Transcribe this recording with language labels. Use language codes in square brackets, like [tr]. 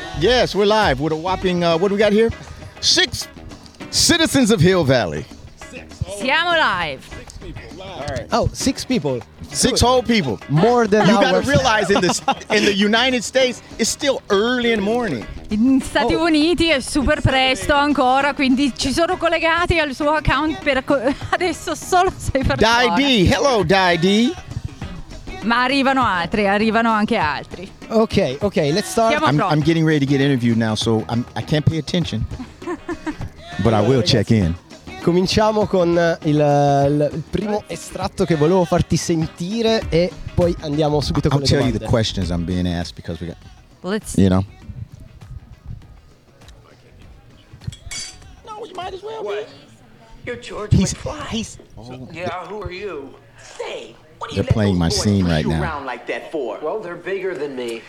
[en] Yes, we're live with a whopping, what do we got here? Six citizens of Hill Valley. [it] Siamo live. [en] Six people. Six whole people. More than you got to realize in the United States, it's still early in the morning. [it] In Stati Uniti è super presto ancora, quindi ci sono collegati al suo account per adesso solo 6 persone. [en] Di D, hello Di D. [it] Ma arrivano anche altri. [en] Okay, let's start. I'm getting ready to get interviewed now, so I can't pay attention. But I will check in. [it] Cominciamo con il primo estratto che volevo farti sentire e poi andiamo subito con le domande. [en] I'll tell you the questions I'm being asked because we got, you know. No, you might as well be. You're George McFly. Yeah, who are you? Say, they're playing my scene right now. Around like that for? Well, they're bigger than me.